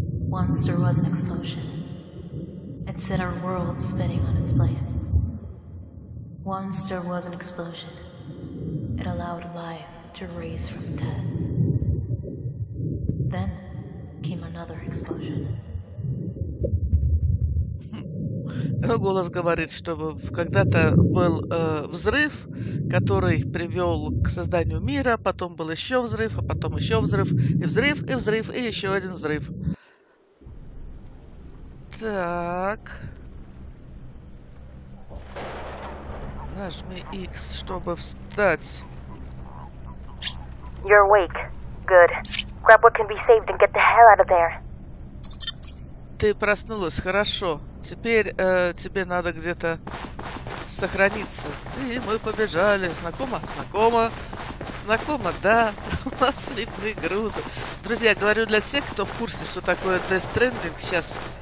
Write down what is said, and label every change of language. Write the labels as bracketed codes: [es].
[en] Once there was an explosion. It set our world spinning on its place. Once there was an explosion. It allowed life to raise from death. Then came another explosion. [ru] Голос говорит, что когда-то был взрыв, который привел к созданию мира, потом был еще взрыв, а потом еще взрыв, и взрыв, и взрыв, и еще один взрыв. Так, нажми X, чтобы встать. [en] You're awake. Good. Grab what can be saved and get the hell out of there. [ru] Ты проснулась, хорошо. Теперь тебе надо где-то сохраниться. И мы побежали. Знакомо? Знакомо. Знакомо, да. У нас видны грузы. Друзья, говорю для тех, кто в курсе, что такое Death Stranding сейчас.